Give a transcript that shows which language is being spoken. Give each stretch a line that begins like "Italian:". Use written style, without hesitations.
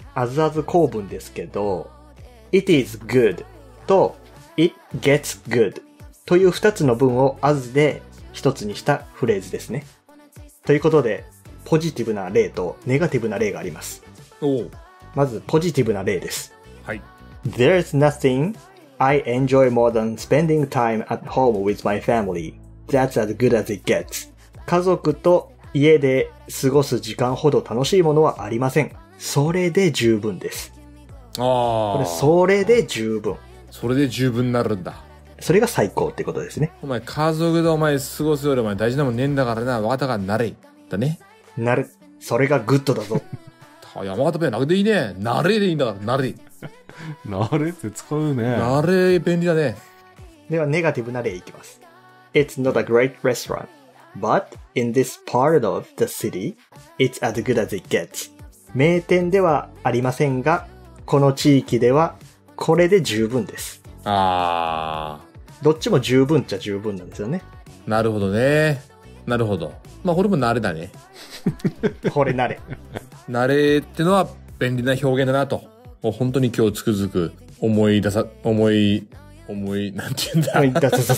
Japanese: as as 構文ですけど、
English: It is good
Japanese: と
English: It gets good
Japanese: という二つの文を as で一つにしたフレーズですね。ということで、ポジティブな例とネガティブな例があります。お、まずポジティブな例です。はい。
English: There's nothing I enjoy more than spending time at home with my family. That's as good as it gets.
Japanese: 家族と家で過ごす時間ほど楽しいものはありません。それで十分です。あ、これそれで十分、それで十分になるんだ。それが最高ってことですね。お前家族でお前過ごすよりお前大事なもんねえんだからな、わかったからなれだね。なる、それがグッドだぞ。山形弁なくていいね、なれでいいんだからなれ。なれって使うね。なれ便利だね。ではネガティブな例いきます。
English: It's not a great restaurant but in this part of the city it's as good as it gets。
Japanese: 名店ではありませんが、この地域ではこれで十分です。あ、どっちも十分っちゃ十分なんですよね。なるほどね、なるほど。まあこれも慣れだね。これ慣れ。慣れってのは便利な表現だなと、もう本当に今日つくづく思い、なんて言うんだ。